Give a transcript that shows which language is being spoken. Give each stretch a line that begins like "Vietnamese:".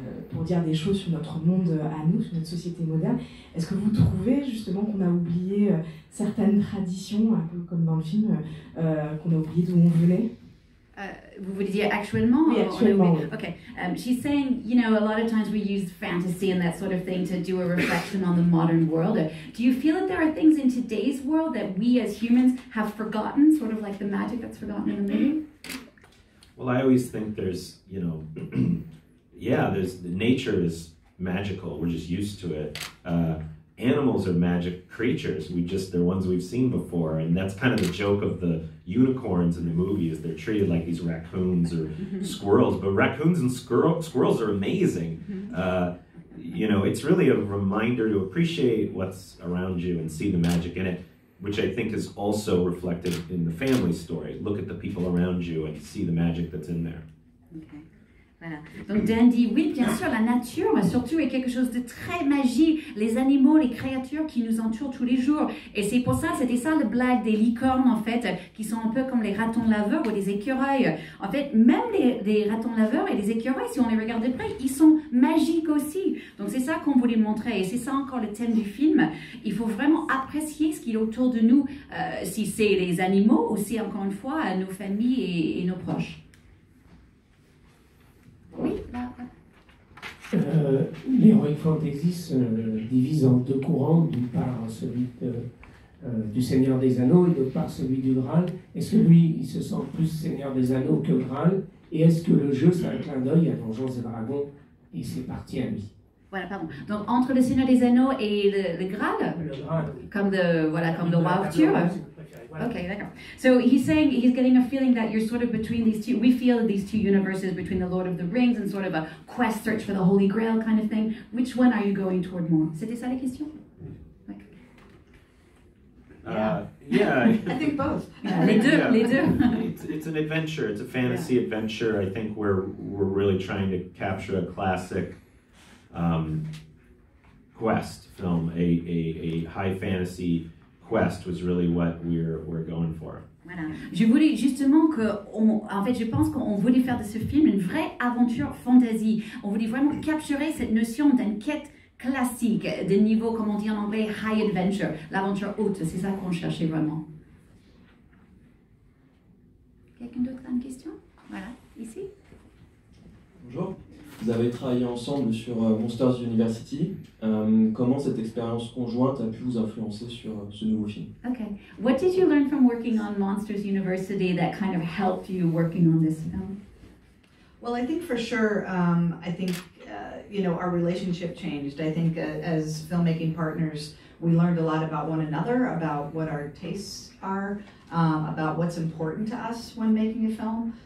French: Pour dire des choses sur notre monde à nous, sur notre société moderne. Est-ce que vous trouvez justement qu'on a oublié certaines traditions, un peu comme dans le film, qu'on a oublié d'où on venait? Vous voulez dire actuellement? Oui, actuellement. Or,
English: okay. She's saying, you know, a lot of times we use fantasy and that sort of thing to do a reflection on the modern world. Do you feel that there are things in today's world that we as humans have forgotten, sort of like the magic that's forgotten in the movie? Well, I always think there's, you know, yeah, there's nature is magical. We're just used to it. Animals are magic creatures. They're ones we've seen before, and that's kind of the joke of the unicorns in the movie, is they're treated like these raccoons or squirrels. But raccoons and squirrels are amazing. You know, it's really a reminder to appreciate what's around you and see the magic in it, which I think is also reflected in the family story. Look at the people around you and see the magic that's in there.
French: Okay. Voilà. Donc Dan dit, oui, bien sûr, la nature, surtout, est quelque chose de très magique. Les animaux, les créatures qui nous entourent tous les jours. Et c'est pour ça, c'était ça le blague des licornes, en fait, qui sont un peu comme les ratons laveurs ou les écureuils. En fait, même les ratons laveurs et les écureuils, si on les regarde de près, ils sont magiques aussi. Donc c'est ça qu'on voulait montrer. Et c'est ça encore le thème du film. Il faut vraiment apprécier ce qu'il y a autour de nous, si c'est les animaux ou si, encore une fois, nos familles et nos proches. Oui, là. L'Heroic Fantasy se divise en deux courants, d'une part celui du Seigneur des Anneaux et d'autre part celui du Graal. Est-ce que lui, il se sent plus Seigneur des Anneaux que Graal? Et est-ce que le jeu, c'est un clin d'œil à Donjons et Dragons et c'est parti à lui? Voilà, pardon. Donc, entre le Seigneur des Anneaux et le Graal? Le Graal. Comme le Roi Arthur? Okay, d'accord.
English: So he's saying he's getting a feeling that you're sort of between these two. We feel these two universes between the Lord of the Rings and sort of a quest search for the Holy Grail kind of thing. Which one are you going toward more?
French: C'était ça la question?
English: Yeah. I think both.
French: Les deux.
English: It's an adventure. It's a fantasy adventure. I think we're really trying to capture a classic quest film, a high fantasy. Quest was really what we're going for.
French: Voilà. Je voulais justement que, en fait, je pense qu'on voulait faire de ce film une vraie aventure fantasy. On voulait vraiment capturer cette notion d'une quête classique, de niveau, comme on dit en anglais, high adventure, l'aventure haute. C'est ça qu'on cherchait vraiment. Quelqu'un d'autre a une question? Voilà, ici. Bonjour. Vous avez travaillé ensemble sur Monsters University. Comment cette expérience conjointe a pu vous influencer sur ce nouveau film?
English: Okay. What did you learn from working on Monsters University that kind of helped you working on this film? Well, I think for sure, our relationship changed. I think as filmmaking partners, we learned a lot about one another, about what our tastes are, about what's important to us when making a film.